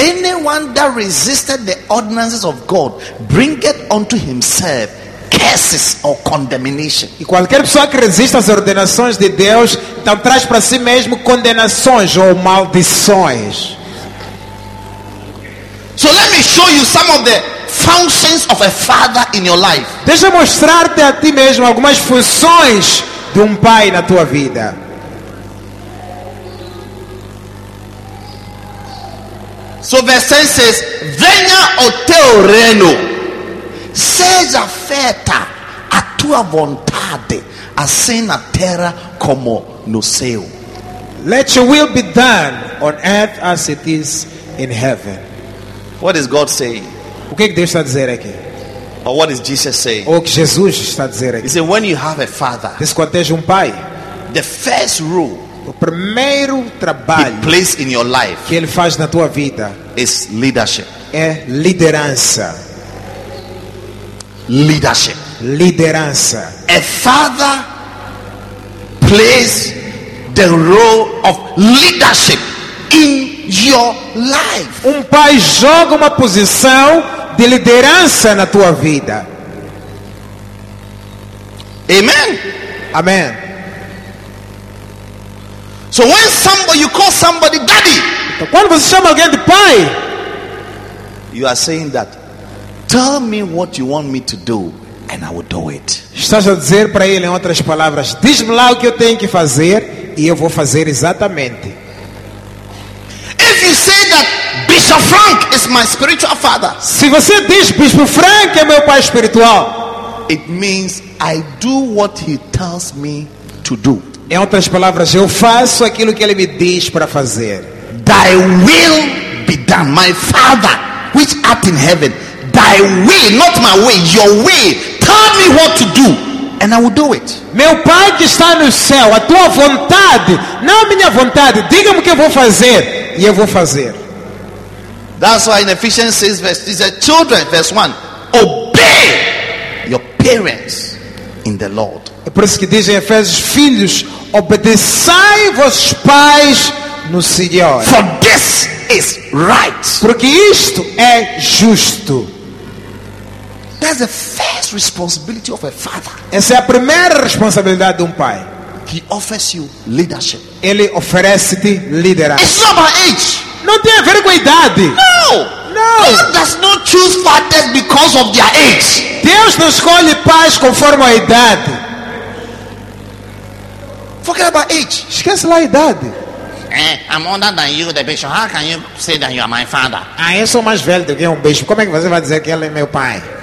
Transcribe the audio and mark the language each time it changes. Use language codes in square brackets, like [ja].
[en] Anyone that resisted the ordinances of God bringeth unto himself curses or condemnation. [pt] E qualquer pessoa que resista às ordenações de Deus, então traz para si mesmo condenações ou maldições. [en] So let me show you some of the functions of a father in your life. [pt] Deixa eu mostrar-te a ti mesmo algumas funções de pai na tua vida. [en] So verse 10 says, [pt] venha o teu reino, seja feita a tua vontade, assim na terra como no céu. [en] Let your will be done on earth as it is in heaven. What is God saying? [pt] O que Deus está a dizer aqui? [en] Or what is Jesus saying? [pt] O que Jesus está a dizer aqui? [en] He said, when you have a father, [pt] diz quando tens pai, [en] the first rule, [pt] o primeiro trabalho, [en] he plays in your life, [pt] que ele faz na tua vida, [en] is leadership, [pt] é liderança, [en] leadership, [pt] liderança. [en] A father plays the role of leadership in your life. [pt] Pai joga uma posição de liderança na tua vida. [en] Amen. [pt] Amen. [en] So when somebody you call somebody daddy, [pt] quando você chama alguém de pai, [en] you are saying that, tell me what you want me to do and I will do it. [pt] Estás a dizer para ele, em outras palavras, diz-me lá o que eu tenho que fazer e eu vou fazer exatamente. [en] If you say that Bishop Frank is my spiritual father, [pt] se você diz Bispo Frank é meu pai espiritual, [en] it means I do what he tells me to do. [pt] Em outras palavras, eu faço aquilo que ele me diz para fazer. [en] Thy will be done, my Father, which art in heaven. Thy will, not my way, your way. Tell me what to do, and I will do it. [pt] Meu Pai que está no céu, a tua vontade, não a minha vontade. Diga-me o que eu vou fazer, e eu vou fazer. [en] That's why in Ephesians 6, verse 3, children, verse 1, obey your parents in the Lord. [pt] É por isso que diz em Efésios, filhos, obedeçai vossos pais no Senhor. [en] For this is right. [pt] Porque isto é justo. [en] That's the first responsibility of a father. [pt] Essa é a primeira responsabilidade de um pai. [en] He offers you leadership. [pt] Ele oferece-te liderança. [en] It's not about age. [pt] Não tem a ver com a idade. [en] No. God does not choose fathers because of their age. [pt] Deus não escolhe pais conforme a idade. [en] Forget about age. [pt] Esquece lá a idade. [en] I'm older than you, the bishop. How can you say that you are my father? [pt] Ah, eu sou mais velho do que um bishop. Como é que você vai dizer que ele é meu pai?